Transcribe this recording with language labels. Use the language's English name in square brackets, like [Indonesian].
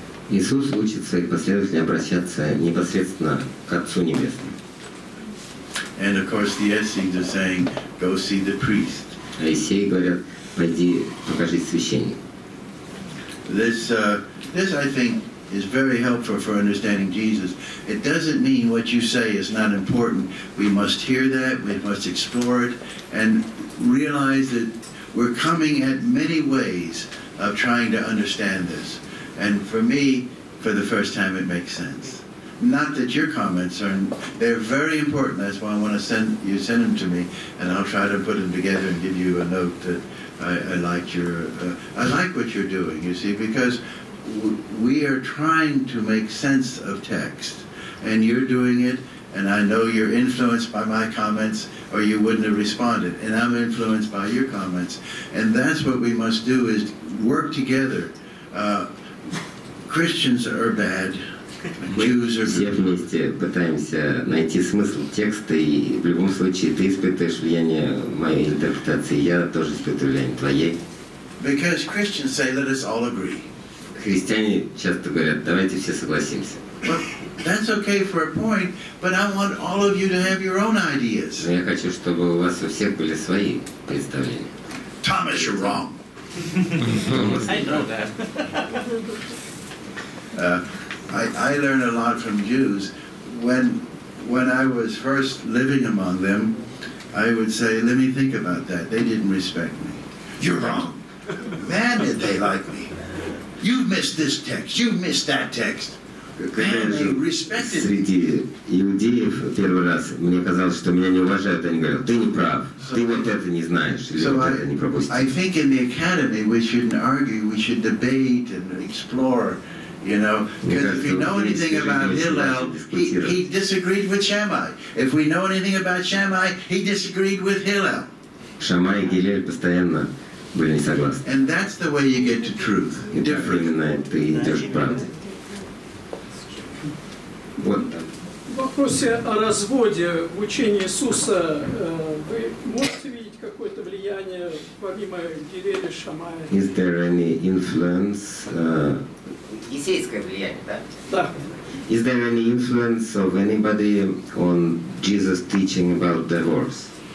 [Russian] Иисус учит своих последователей обращаться непосредственно к Отцу Небесному. [English] And of course the Essenes are saying, go see the priest. [Russian] А Эссеи говорят, пойди покажись священнику. [English] This I think is very helpful for understanding Jesus. It doesn't mean what you say is not important. We must hear that, we must explore it, and realize that we're coming at many ways of trying to understand this. And for me, for the first time, it makes sense. Not that your comments are, they're very important. That's why I want to send you, send them to me, and I'll try to put them together and give you a note that I like your, I like what you're doing, you see, because we are trying to make sense of text, and you're doing it, and I know you're influenced by my comments, or you wouldn't have responded, and I'm influenced by your comments, and that's what we must do, is work together. Christians are bad, Jews are good. [Russian] Все вместе пытаемся найти смысл текста, и в любом случае ты испытываешь влияние моей интерпретации, я тоже испытываю влияние твоей. [English] Because Christians say, let us all agree. [Russian] Христиане часто говорят, давайте все согласимся. [English] That's okay for a point, but I want all of you to have your own ideas. [Russian] Но я хочу, чтобы у вас у всех были свои представления. [English] Thomas, you're wrong. I know that. I learn a lot from Jews. When I was first living among them, I would say, let me think about that. They didn't respect me. You're wrong. Man, did they like me. You missed this text. You missed that text. Man, they respected me. [Russian] Среди иудеев первый раз мне казалось, что меня не уважают. Они говорят, ты не прав. Ты вот это не знаешь. Или вот это не пропустил. [English] I think in the academy we shouldn't argue. We should debate and explore. You know, because if you know anything about Hillel, he disagreed with Shammai. If we know anything about Shammai, he disagreed with Hillel. [Russian] Шамай и Гилель постоянно были не согласны. [English] And that's the way you get to truth. Different. [Russian] Именно ты идешь к правде. Вот так. В вопросе о разводе в учении Иисуса вы можете видеть какое-то влияние помимо Гилеля, Шамая? [English] Is there any influence? Is there any influence of anybody on Jesus teaching about divorce?